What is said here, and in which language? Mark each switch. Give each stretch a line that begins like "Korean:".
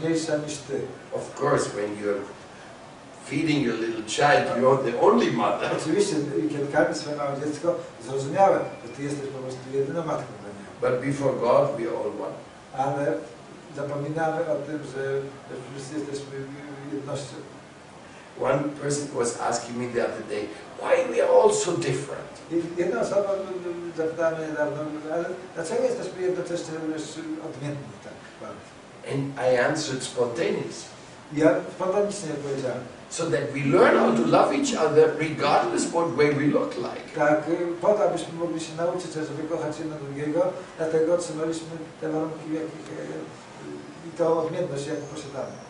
English: Of course, when you're feeding your little child, you are the only mother.
Polish: Oczywiście, kiedy karmisz swoje małe dziecko, zrozumiałe, że ty jesteś po prostu jedyną matką dla niego.
English: But before God, we are all one.
Polish: Ale zapominamy o tym, że wszyscy jesteśmy jednością.
English: One person was asking me the other day, why we are all so different?
Polish: Jedna osoba zapytała mnie dawno, ale dlaczego jesteśmy jednocześnie odmienni tak bardzo?
English: And I answered spontaneously.
Polish: Ja spontanicznie odpowiedziałem.
English: So that we learn how to love each other regardless what way we look like.
Polish: Tak, po to abyśmy mogli się nauczyć, żeby kochać jedno drugiego, dlatego otrzymaliśmy te warunki, jakie i tą odmienność, jaką posiadamy.